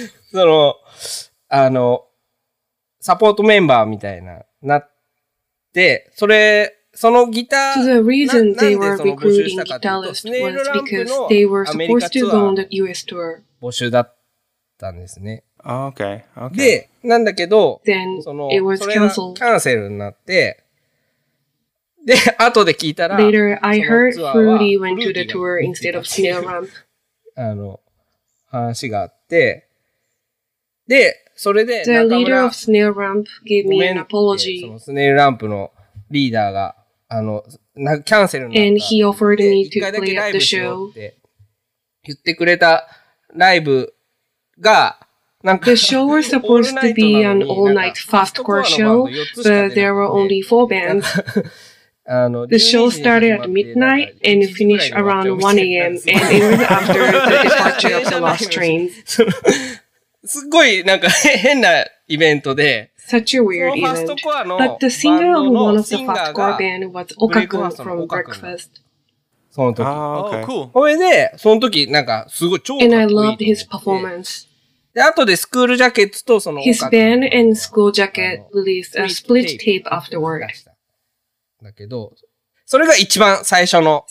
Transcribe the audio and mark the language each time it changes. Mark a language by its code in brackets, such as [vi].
[ja] その、あの、サポートメンバーみたいな、なって、それ、そのギター、 [en] So the reason they were recruiting guitarist was because they were supposed to go on the US tour. [ja] 募集だったんですね。 [en] Oh, okay. [ja] で、なんだけど、 [en] Then、その、it was canceled. [ja] それがキャンセルになって、で、後で聞いたら、 [en] Later, I heard Fruity went to the tour instead of Snail Ramp. [ja] あの、話があって、で、それで、 [en] The leader of Snail Ramp gave me an apology. [ja] そのスネイルランプのリーダーが、あの、キャンセルになった。 [en] And he offered me to play at the show. [ja] 言ってくれたライブが、 [en] The show was supposed to be an all-night fastcore show, but there were only four bands. The show started at midnight and finished around 1 a.m. and it was after the departure of the last train. [ja] すごいなんか変なイベントで。 [en] Such a weird event. But the singer of one of the fastcore band was Okakun from Breakfast. [ja] その時。 [en] Ah, okay. [ja] それで、その時なんかすごい超。 [en] And I loved his performance. [ja] で、あとでスクールジャケットとその、 [en] His band and school jacket released a split tape afterward. [ja] だけど、それが一番最初の、